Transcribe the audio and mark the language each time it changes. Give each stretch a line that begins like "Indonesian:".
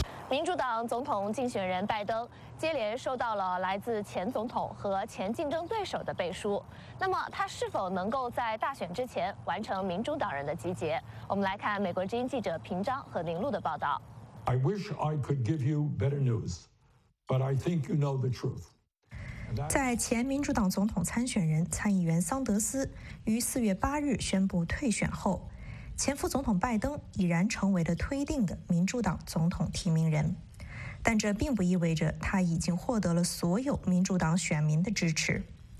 Chinese: 民主党总统竞选人拜登接连收到了来自前总统和前竞争对手的背书，那么他是否能够在大选之前完成民主党人的集结？我们来看美国之音记者平章和林璐的报道。
English: I wish I could give you better news, but I think you know the truth.
Chinese: 在前民主党总统参选人参议员桑德斯于4月8日宣布退选后，前副总统拜登已然成为了推定的民主党总统提名人，但这并不意味着他已经获得了所有民主党选民的支持。